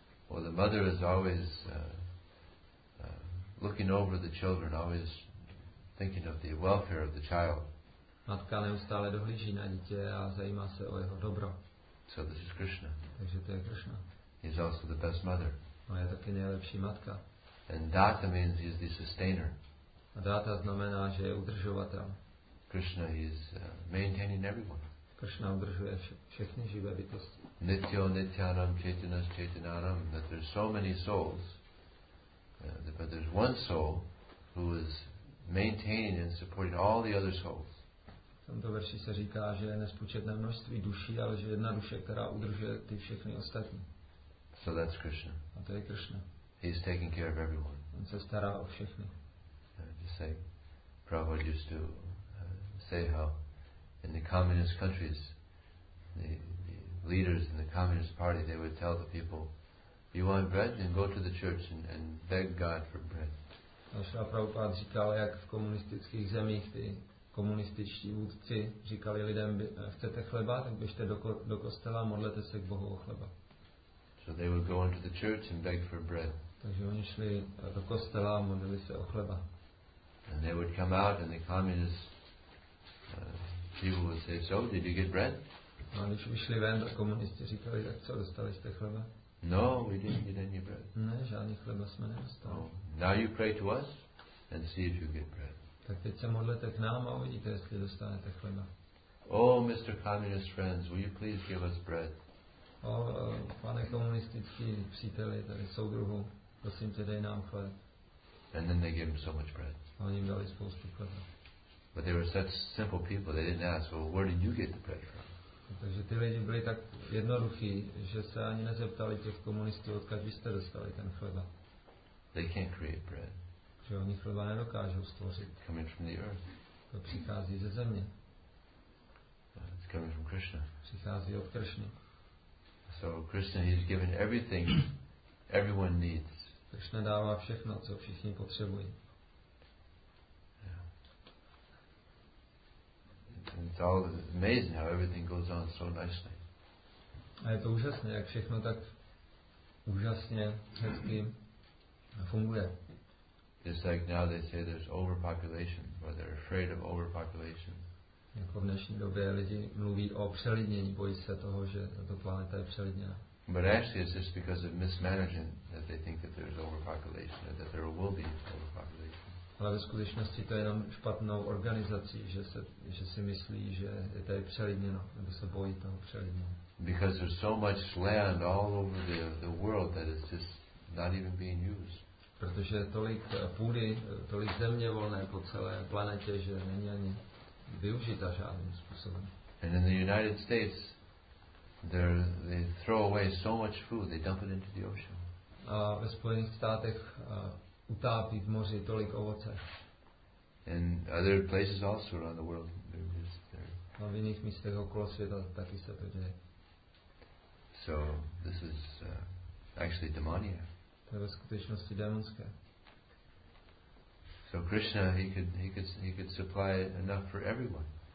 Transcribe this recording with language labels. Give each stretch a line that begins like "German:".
English: Well, the mother is always looking over the children, always thinking of the welfare of the child.
Czech: Matka neustále dohlíží na dítě a zajímá se o jeho dobro.
English: So this is Krishna.
Czech: Takže to je Krishna.
English: He's also the best mother.
Czech: A je taky nejlepší matka.
English: And data means he's the sustainer.
Czech: A data znamená, že je udržovatel.
English: Krishna is maintaining everyone.
Czech: Krishna udržuje všechny živé bytosti.
Sanskrit: Nityo nityanam chetinas chetinaram.
English: That there's so many souls. But there's one soul who is maintaining and supporting all the other souls.
Czech: V tomto verši se říká, že je nespočetné množství duší, ale že jedna duše, která udržuje ty všechny ostatní.
English: So that's Krishna.
Czech: A to je Krishna.
English: He's taking care of everyone.
Czech: On se stará o všechny.
English: Prabhupada used to say how in the communist countries the leaders in the communist party, they would tell the people, you want bread, then go to the church and beg God for bread.
Czech: A Šrila Prabhupada říkal, jak v komunistických zemích ty komunističtí vůdci říkali lidem, chcete chleba, tak běžte do kostela a modlete se k Bohu o chleba.
English: So they would go into the church and beg for bread.
Czech: Takže oni šli do kostela a modlili se o chleba.
English: And they would come out and the communist people would say, so, did you get bread?
Czech: No, když vyšli ven, tak komunisti říkali, tak co, dostali jste chleba?
English: No, we didn't get any bread.
Czech: Ne, žádný chleba jsme nedostali.
English: Oh. Now you pray to us and see if you get bread.
Czech: Tak teď se modlete k nám a uvidíte, jestli dostanete chleba.
English: Oh, Mr. Communist friends, will you please give us bread?
Czech: Oh, pane komunistický příteli, tady soudruhu, prosím tě, dej nám chleb.
English: And then they gave him so much bread.
Czech: A oni jim dali spoustu chleba.
English: But they were such simple people, they didn't ask, well, where did you get the bread from?
Czech: Takže ty lidi byli tak jednoduchý, že se ani nezeptali těch komunistů, odkud vy jste dostali ten chleba.
English: They can't create bread.
Czech: Že oni chleba nedokážou stvořit.
English: Coming from the earth.
Czech: To přichází ze země.
English: It's coming from Krishna.
Czech: Přichází od Krishny.
English: So Krishna, he's given everything everyone needs.
Czech: Krishna dává všechno, co všichni potřebují.
English: And it's all amazing how everything goes on so nicely.
Czech: A je to úžasné, jak všechno tak úžasně hezky funguje.
English: Just like now they say there's overpopulation, but they're afraid of overpopulation.
Czech: Jako v dnešní době lidi mluví o přelidnění, bojí se toho, že tato planeta je přelidněná.
English: But actually it's just because of mismanagement that they think that there's overpopulation or that there will be overpopulation.
Czech: Ale ve skutečnosti to je jenom špatnou organizací, že si myslí, že je tady přelidněno, nebo se bojí toho přelidněno.
English: Because there's so much land all over the world that it's just not even being used.
Czech: Protože je tolik půdy, tolik země volné po celé planetě, že není ani využita žádným způsobem.
English: And in the United States, they throw away so much food, they dump it into the ocean.
Czech: A ve Spojených státech utápí v moři tolik ovoce.
English: And other places also around the world, they're just there.
Czech: A v jiných místech okolo světa taky se to děje.
English: So this is actually demoniac.
Czech: To je ve skutečnosti démonské.
English: So Krishna, he could supply enough for everyone.